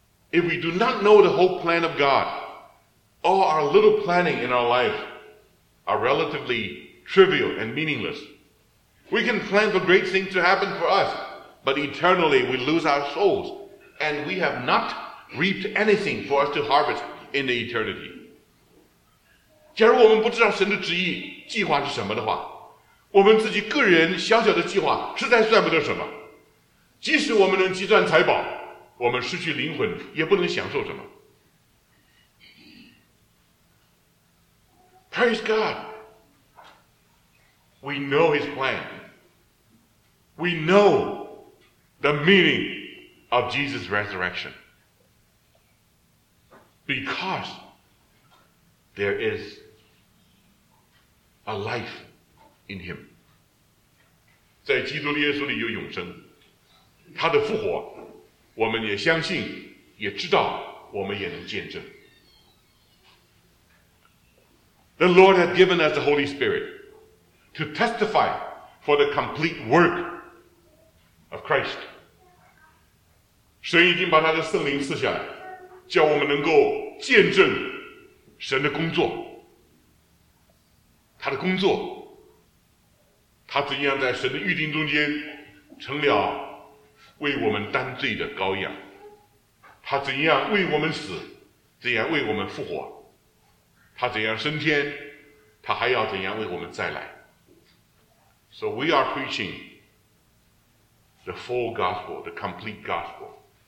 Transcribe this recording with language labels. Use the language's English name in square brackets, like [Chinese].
[English] If we do not know the whole plan of God,all our little planning in our life are relatively trivial and meaningless. We can plan for great things to happen for us, but eternally we lose our souls, and we have not reaped anything for us to harvest in the eternity. [Chinese] 假如我们不知道神的旨意、计划是什么的话，我们自己个人小小的计划实在算不得什么。即使我们能积攒财宝，我们失去灵魂也不能享受什么。 [English] Praise God. We know His plan. We know the meaning of Jesus' resurrection. Because there is a life in Him. [Chinese] 在基督耶稣里有永生，他的复活，我们也相信，也知道，我们也能见证。 [English] The Lord has given us the Holy Spirit to testify for the complete work of Christ. [Chinese] 神已经把他的圣灵赐下来，叫我们能够见证神的工作，他的工作，他怎样在神的预定中间成了为我们担罪的羔羊，他怎样为我们死，怎样为我们复活，他怎样升天，他还要怎样为我们再来。 [English] So we are preaching the full gospel, the complete gospel.